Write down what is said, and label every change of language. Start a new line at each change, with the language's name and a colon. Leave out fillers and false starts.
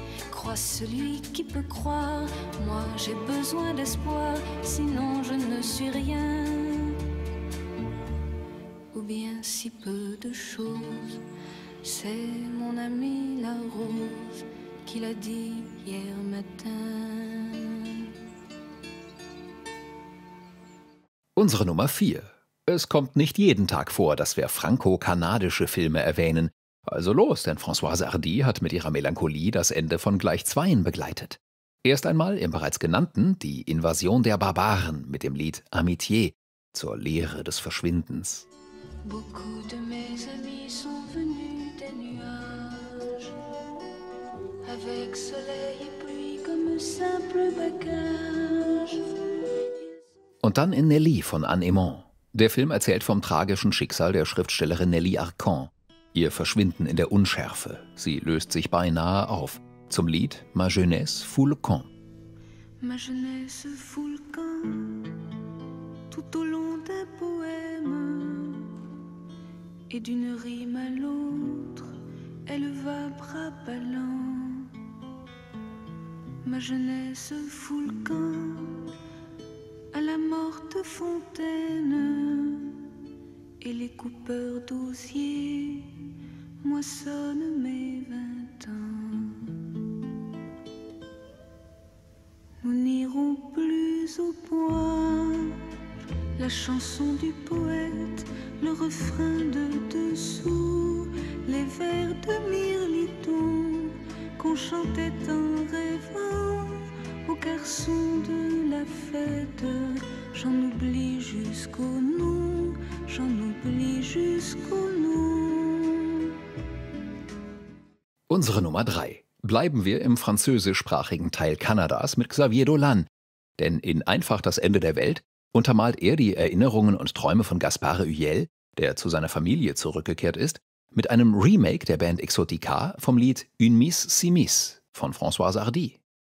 French: Crois celui qui peut croire. Moi j'ai besoin d'espoir, sinon je ne suis rien. Ou bien si peu de choses, c'est mon ami la rose qui l'a dit hier matin.
German: Unsere Nummer 4. Es kommt nicht jeden Tag vor, dass wir franco-kanadische Filme erwähnen. Also los, denn Françoise Hardy hat mit ihrer Melancholie das Ende von gleich zweien begleitet. Erst einmal im bereits genannten Die Invasion der Barbaren mit dem Lied Amitié zur Lehre des Verschwindens.
French: Beaucoup de mes amis sont venus des nuages, avec soleil et pluie comme simple bagage.
German: Und dann in Nelly von Anne Aimant. Der Film erzählt vom tragischen Schicksal der Schriftstellerin Nelly Arcand. Ihr Verschwinden in der Unschärfe. Sie löst sich beinahe auf. Zum Lied Ma jeunesse fout le camp.
French: Ma jeunesse fout le camp, tout au long d'un poème, et d'une rime à l'autre, elle va bras ballant. Ma jeunesse fout le camp, à la morte fontaine, et les coupeurs d'osiers moissonnent mes vingt ans. Nous n'irons plus au bois, la chanson du poète, le refrain de dessous, les vers de Mirliton qu'on chantait en rêvant aux garçons de la fête. J'en oublie jusqu'au nom, j'en oublie jusqu'au nom.
German: Unsere Nummer 3. Bleiben wir im französischsprachigen Teil Kanadas mit Xavier Dolan. Denn in Einfach das Ende der Welt untermalt er die Erinnerungen und Träume von Gaspard Huyel, der zu seiner Familie zurückgekehrt ist, mit einem Remake der Band Exotica vom Lied Une Mise Si Mise von François Hardy.